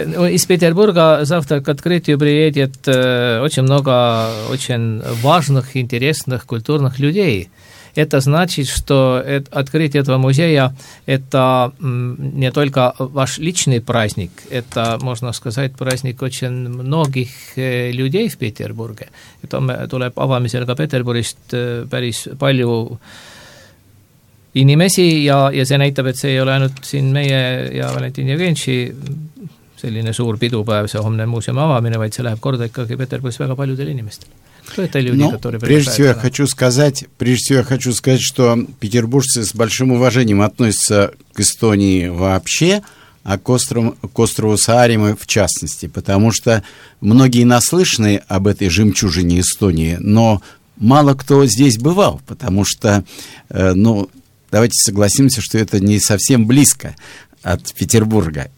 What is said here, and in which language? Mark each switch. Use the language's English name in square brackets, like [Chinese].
[Russian] Из Петербурга завтра к открытию приедет очень много очень важных, интересных культурных людей. Это значит, что открытие этого музея – это не только ваш личный праздник, это, можно сказать, праздник очень многих людей в Петербурге. [Estonian] Это tuleb avamisel ka Петербургист päris palju inimesi ja see näitab, et see ei ole ainult siin meie ja Valentin Jevgenijevitši selline suur pidupäev, see homne muuseumi avamine, vaid see läheb korda ikkagi Peterburis väga paljudel inimestel. [Russian] Прежде всего я хочу сказать, что петербуржцы с большим уважением относятся к Эстонии вообще, а к острову Саарема в частности, потому что многие наслышаны об этой жемчужине Эстонии, но мало кто здесь бывал, потому что, давайте согласимся, что это не совсем близко от Петербурга.